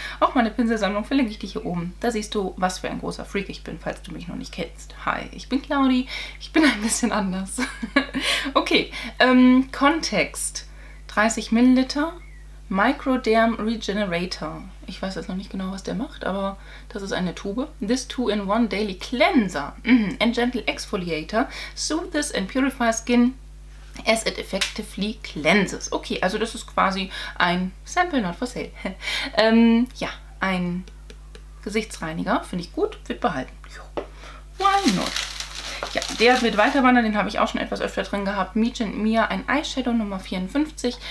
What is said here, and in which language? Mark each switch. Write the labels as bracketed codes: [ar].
[de] Auch meine Pinselsammlung verlinke ich dir hier oben. Da siehst du, was für ein großer Freak ich bin, falls du mich noch nicht kennst. Hi, ich bin Claudi. Ich bin ein bisschen anders. Okay, Kontext. 30 Milliliter. Microderm Regenerator. Ich weiß jetzt noch nicht genau, was der macht, aber das ist eine Tube. [en] This 2-in-1 Daily Cleanser and Gentle Exfoliator soothes and purifies skin as it effectively cleanses. [de] Okay, also das ist quasi ein Sample, [en] not for sale. [de] ein Gesichtsreiniger. Finde ich gut, wird behalten. [en] Why not? [de] Ja, der wird weiterwandern, den habe ich auch schon etwas öfter drin gehabt. Meet and Mia, ein Eyeshadow Nummer 54.